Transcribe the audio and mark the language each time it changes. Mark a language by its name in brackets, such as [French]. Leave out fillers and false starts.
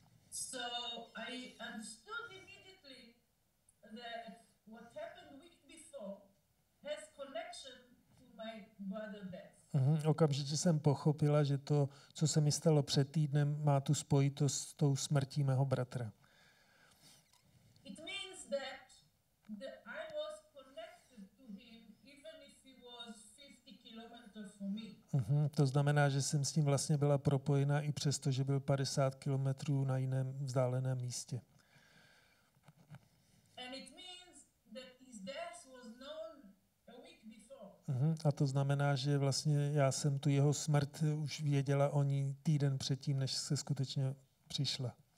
[English] So I understood immediately that what happened week before has connection to my brother's death. [Czech] Okamžitě jsem pochopila, že to, co se mi stalo před týdnem, má tu spojitost s tou smrtí mého bratra. [English] It means that I was connected to him even if he was 50 kilometers from me. [Czech] To znamená, že jsem s ním vlastně byla propojena i přesto, že byl 50 kilometrů na jiném vzdáleném místě. [English] And it means that his death was known a week before. [Czech] A to znamená, že vlastně já jsem tu jeho smrt už věděla o ní týden předtím, než se skutečně přišla.